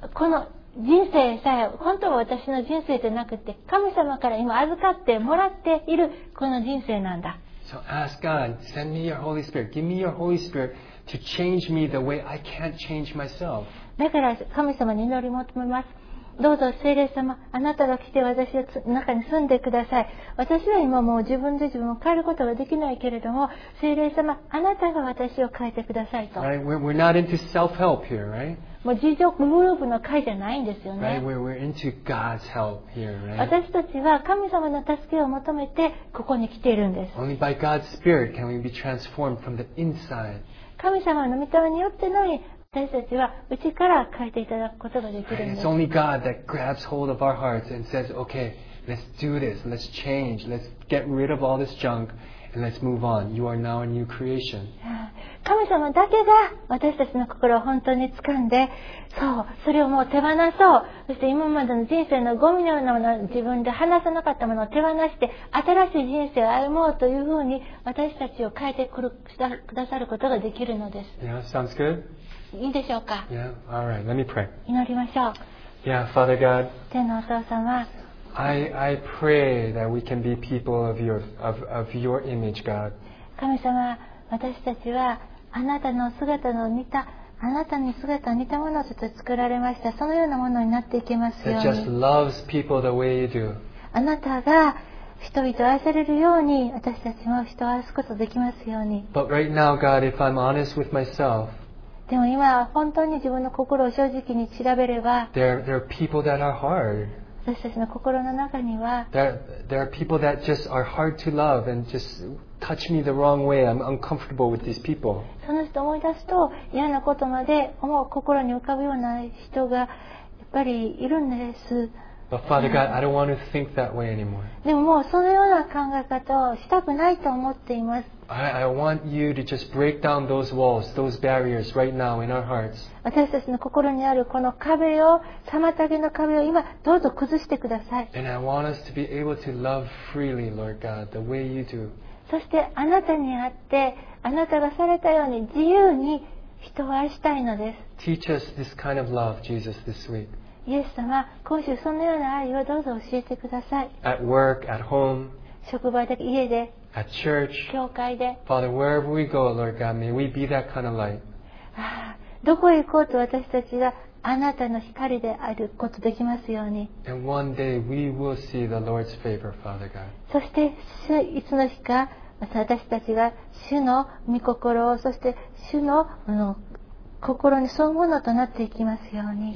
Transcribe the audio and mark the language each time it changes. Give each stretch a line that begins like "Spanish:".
Japanese: この人生さえ本当は私の人生でなくて神様から今預かってもらっているこの人生なんだ。
English: So ask God, send me your Holy Spirit. Give me your Holy Spirit to change me the way I can't change myself.
Japanese: だから神様に祈り求めます。どうぞ聖霊様、あなたが来て私の中に住んでください。私は今もう自分で自分を変えることができないけれども、聖霊様、あなたが私を変えてくださいと。
English: Right? We're not into self-help here, right?
Japanese: もう自助グループの会じゃないんですよね。
English: Right? We're into God's help here, right?
Japanese: 私たちは神様の助けを求めてここに来ているんです。
English: Only by God's Spirit can we be transformed from the inside.
Japanese: 神様の御霊によってのみ私たちは内から変えていただくことができるんです。
English: It's only God that grabs hold of our hearts and says, okay, let's do this, let's change, let's get rid of all this junk and let's move on. You are now a new creation.
Japanese: 神様だけが私たちの心を本当に掴んで、そう、それをもう手放そう。そして今までの人生のゴミのようなものを自分で話さなかったものを手放して、新しい人生を歩もうというふうに私たちを変えてくださることができるのです。
English: Yeah, sounds good.
Japanese: いいでしょうか?
English: Yeah, all right. Let me pray.
Japanese: 祈りましょう。
English: Yeah, Father God.
Japanese: 天のお父様。
English: I pray that we can be people of your image, God.
Japanese: 神様、私たちはあなたの姿の似た、あなたに姿を似たものとして作られました。そのようなものになっていきますように。
English: That just loves people the way you do.
Japanese: あなたが人々を愛されるように、私たちも人を愛すことができますように。
English: But right now, God, if I'm honest with myself,
Japanese: でも今本当に自分の心を正直に調べれば、
English: there are people that are hard.
Japanese: 私たちの心の中には
English: there are people that just are hard to love and just touch me the wrong way. I'm uncomfortable with these people.
Japanese: その人を思い出すと嫌なことまで思う心に浮かぶような人がやっぱりいるんです。
English: But Father God, I don't want to think that way anymore.
Japanese: でももうそのような考え方をしたくないと思っています。
English: I want you to just break down those walls, those barriers right now in our hearts.
Japanese: 私たちの心にあるこの壁を、妨げの壁を今どうぞ崩してください。
English: And I want us to be able to love freely, Lord God, the way you do.
Japanese: そしてあなたにあって、あなたがされたように自由に人を愛したいのです。
English: Teach us this kind of love, Jesus, this week.
Japanese: イエス様、今週そのような愛をどうぞ教えてください。
English: At work, at home.
Japanese: 職場で、家で。
English: At church,
Japanese: 教会で
English: Father, wherever we go, Lord God, may we be that kind of light.
Japanese: どこへ行こうと私たちがあなたの光であることできますように。
English: And one day we will see the Lord's favor, Father God.
Japanese: そしていつの日か私たちが主の御心をそして主の心に沿うものとなっていきますように。